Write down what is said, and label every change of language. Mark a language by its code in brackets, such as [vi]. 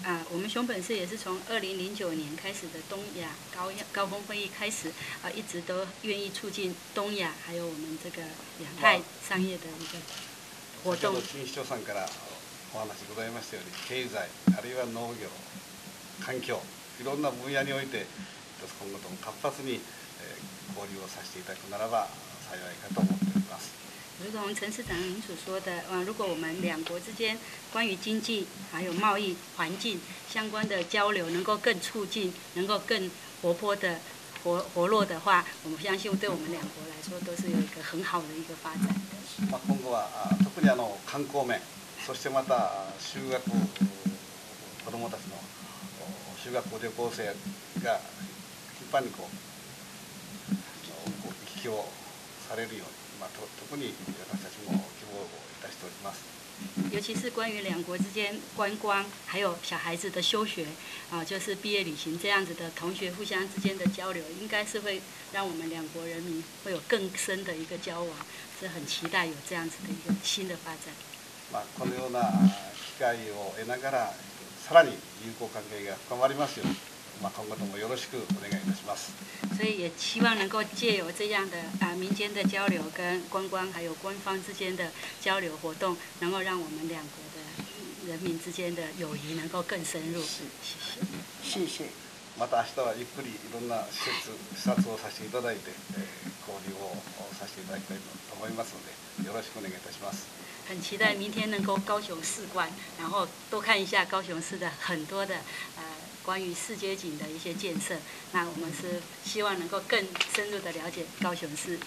[zh] 我们熊本市也是从2009年开始的东亚高峰会议开始，一直都愿意促进东亚，还有我们这个亚太商业的一个活动。 [ja] 陳市長さんからお話ございましたように、経済あるいは農業、環境、いろんな分野において、今後とも活発に交流をさせていただくならば幸いかと思っております。 [zh] 如同陈市长您所说的，如果我们两国之间关于经济、还有贸易、环境相关的交流能够更促进、能够更活泼的活络的话，我们相信对我们两国来说都是有一个很好的一个发展的。 [ja] まあ今後は特に観光面、そしてまた修学子どもたちの修学旅行生が頻繁にこう行き来されるように。特に私たちも希望をいたしております。 [zh] 尤其是关于两国之间观光还有小孩子的休学啊，就是毕业旅行这样子的同学互相之间的交流，应该是会让我们两国人民会有更深的一个交往，是很期待有这样子的一个新的发展。 [ja] まあこのような機会を得ながらさらに友好関係が深まりますよ。まあ今後ともよろしくお願いいたします。 [zh] 所以也希望能够借由这样的啊民间的交流跟观光还有官方之间的交流活动，能够让我们两国的人民之间的友谊能够更深入。是，谢谢。 [ja] また明日はゆっくりいろんな視察をさせていただいて、交流をさせていただきたいと思いますので、よろしくお願いいたします。 [zh] 很期待明天能够高雄市观，然后多看一下高雄市的很多的关于市街景的一些建设，那我们是希望能够更深入的了解高雄市。